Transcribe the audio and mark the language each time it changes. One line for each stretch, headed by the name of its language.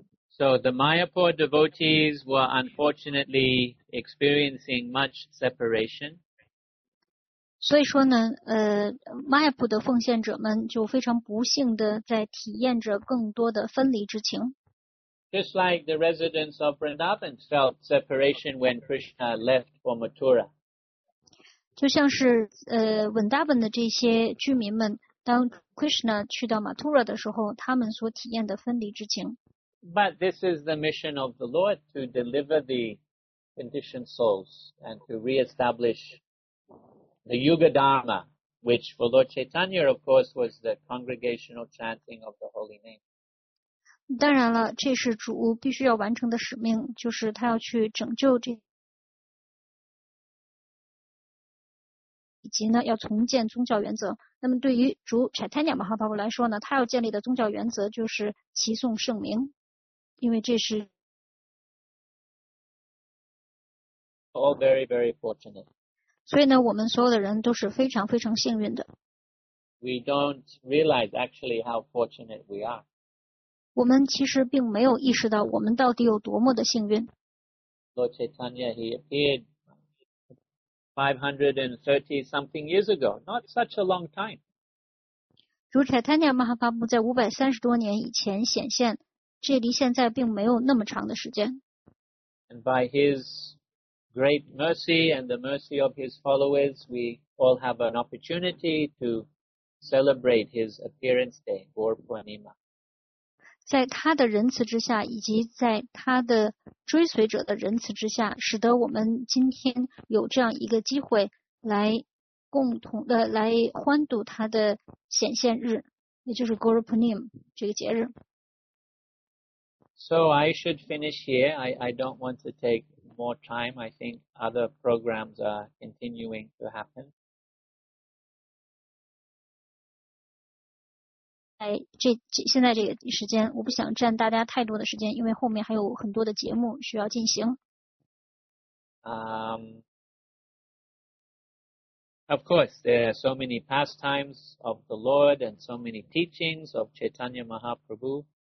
English: So the Mayapur devotees were unfortunately experiencing much separation.
Chinese: 所以说呢，Mayapur 的奉献者们就非常不幸的在体验着更多的分离之情。
English: Just like the residents of Vrindavan felt separation when Krishna left for Mathura.
Chinese: 就像是文达本的这些居民们，当 Krishna 去到马图拉的时候，他们所体验的分离之情。
English: But this is the mission of the Lord to deliver the conditioned souls and to reestablish the Yuga Dharma, which for Lord Chaitanya, of course, was the congregational chanting of the holy name.
Chinese: 当然了，这是主必须要完成的使命，就是他要去拯救这。以及呢，要重建宗教原则。那么，对于主查坦尼马哈巴布来说呢，他要建立的宗教原则就是齐诵圣名，因为这是
English: all very very fortunate。
Chinese: 所以呢，我们所有的人都是非常非常幸运的。
English: We don't realize actually how fortunate we are。
Chinese: 我们其实并没有意识到我们到底有多么的幸运。
English: Lord Chaitanya, he appeared. 530-something years ago, not such a long time.
Chinese: 主查坦尼亚马哈巴布在530多年以前显现，这离现在并没有那么长的时间。
English: And by his great mercy and the mercy of his followers, we all have an opportunity to celebrate his appearance day, Gaur Purnima.
Chinese: 在他的仁慈之下，以及在他的追随者的仁慈之下，使得我们今天有这样一个机会来共同的来欢度他的显现日，也就是 Guru Purnim 这个节日。
English: So I should finish here. I don't want to take more time. I think other programs are continuing to happen.
Chinese: 在现在这个时间，我不想占大家太多的时间，因为后面还有很多的节目需要进行。
English: Of course, there are so many pastimes of the Lord and so many teachings of Chaitanya Mahaprabhu.